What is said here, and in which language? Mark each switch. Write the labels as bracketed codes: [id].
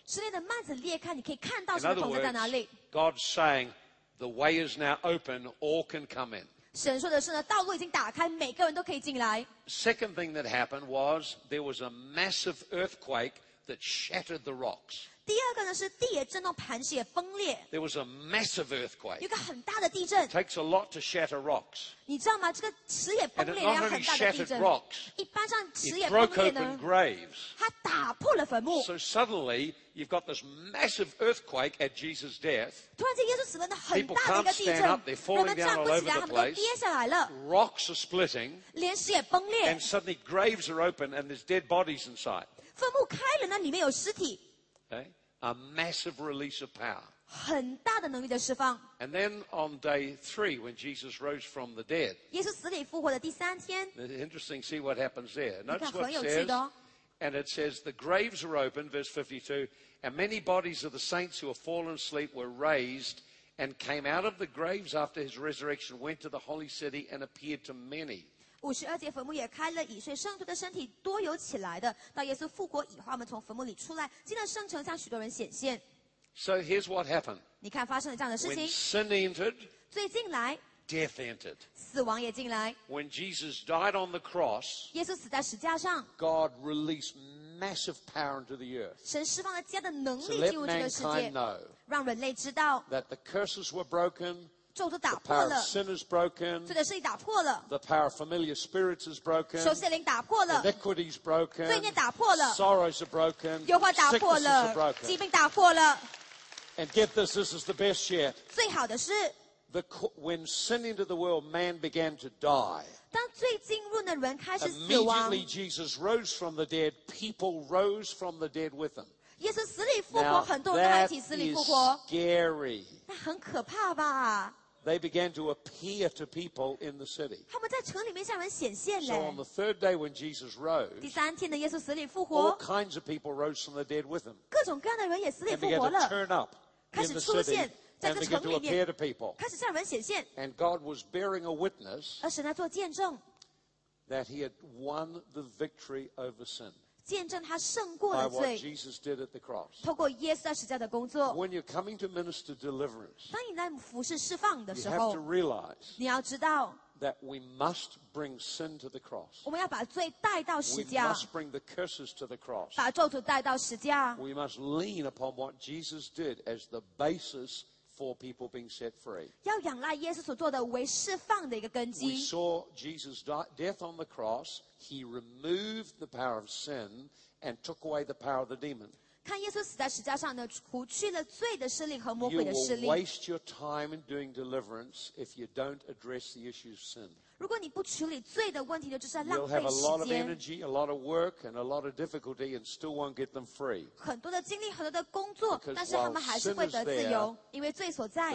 [zh] 圣殿的幔子裂开，你可以看到神的同在在哪里。 [en] God saying, "The way is now open; all can come in." [zh] 神说的是呢，道路已经打开，每个人都可以进来。 [en] Second thing that happened was there was a massive earthquake. That shattered the rocks. [zh] 第二个呢是地也震动，磐石也崩裂。 [en] There was a massive earthquake. [zh] 有个很大的地震。 [en] It takes a lot to shatter rocks. [zh] 你知道吗？这个石也崩裂，要很大的地震。 [en] And it not only shattered rocks. [zh] 一般上石也崩裂呢。 [en] It broke open graves. [zh] 它打破了坟墓。 [en] So suddenly you've got this massive earthquake at Jesus' death. [zh] 突然间耶稣死了，那很大的一个地震。 [en] People can't stand up. They're falling down all over the place. [zh] 他们跌下来了。 [en] Rocks are splitting. [zh] 连石也崩裂。 [en] And suddenly graves are open, and there's dead bodies inside. [zh] 坟墓开了，那里面有尸体。 [en] Okay, a massive release of power. [zh] 很大的能力的释放。 [en] And then on day three, when Jesus rose from the dead. [zh] 耶稣死里复活的第三天。 [en] It's interesting. See what happens there. Notice what it says. And it says the graves were opened, verse 52, and many bodies of the saints who have fallen asleep were raised and came out of the graves after his resurrection, went to the holy city and appeared to many. [zh] 五十二节，坟墓也开了，已睡圣徒的身体多有起来的。到耶稣复活以后，他们从坟墓里出来，进了圣城，向许多人显现。 [en] So here's what happened. [zh] 你看发生了这样的事情。 [en] When sin entered, [zh] 罪进来。 [en] Death entered. [zh] 死亡也进来。 [en] When Jesus died on the cross, [zh] 耶稣死在十架上。 [en] God released massive power into the earth. [zh] 神释放了极大的能力进入这个世界，让人类知道。 [en] That the curses were broken. [zh] 咒诅打破了。 [en] The power of sin is broken. [zh] 罪的势力打破了。 [en] The power of familiar spirits is broken. [zh] 仇邪灵打破了。 [en] Iniquity is broken. [zh] 罪孽打破了。 [en] Sorrows are broken. [zh] 忧患打破了。疾病打破了。 [en] And get this, this is the best yet. [zh] 最好的是。 [en] When sin entered the world, man began to die. [zh] 当罪进入的人开始死亡。 [en] Immediately Jesus rose from the dead. People rose from the dead with him. [zh] 耶稣死里复活，很多人都一起死里复活。 [en] Scary. [zh] 那很可怕吧 [en] ？They began to appear to people in the city. [zh] 他们在城里面向人显现嘞。 [en] So on the third day when Jesus rose, [zh] 第三天的耶稣死里复活 [en] ，all kinds of people rose from the dead with him. [zh] 各种各样的人也死里复活了。 [en] And began to turn up in the city, [zh] 开始出现在这个城里面 [en] ，began to appear to people, [zh] 开始向人显现。 [en] And God was bearing a witness, [zh] 而神在做见证 [en] ，that he had won the victory over sin. [zh] 见证他胜过的罪。 [en] By what Jesus did at the cross. [zh] 透过耶稣在十字架的工作。 [en] When you're coming to minister deliverance. [zh] 当你在服事释放的时候。 [en] You have to realize. [zh] 你要知道。 [en] That we must bring sin to the cross. [zh] 我们要把罪带到十字架。 [en] We must bring the curses to the cross. [zh] 把咒诅带到十字架。 [en] We must lean upon what Jesus did as the basis for people being set free. [zh] 要仰赖耶稣所做的为释放的一个根基。 [en] We saw Jesus' death on the cross. He removed the power of sin and took away the power of the demon. [zh] 看耶稣死在十架上呢，除去了罪的势力和魔鬼的势力。 [en] You will waste your time in doing deliverance if you don't address the issue of sin. [zh] 如果你不处理罪的问题，就是在浪费时间。 [en] You'll have a lot of energy, a lot of work, and a lot of difficulty, and still won't get them free. [zh] 很多的精力，很多的工作，但是他们还是会得自由，因为罪所在。